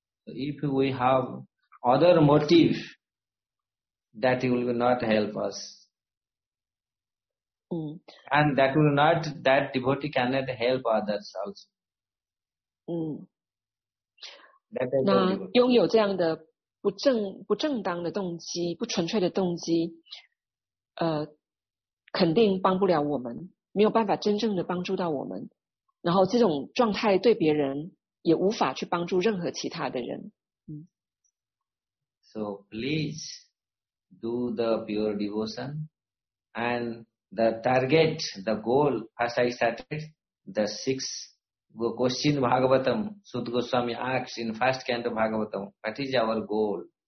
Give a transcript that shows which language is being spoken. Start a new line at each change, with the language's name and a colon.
English: If we have other motive, that will not help us. And that will not, that devotee cannot help others also.
Chinese: 那拥有这样的不正当的动机，不纯粹的动机，肯定帮不了我们，没有办法真正的帮助到我们，然后这种状态对别人也无法去帮助任何其他的人。
English: So please do the pure devotion and the target, the goal, as I started, the sixth question Bhagavatam, Sudha Goswami asks in first canto Bhagavatam, what is our goal?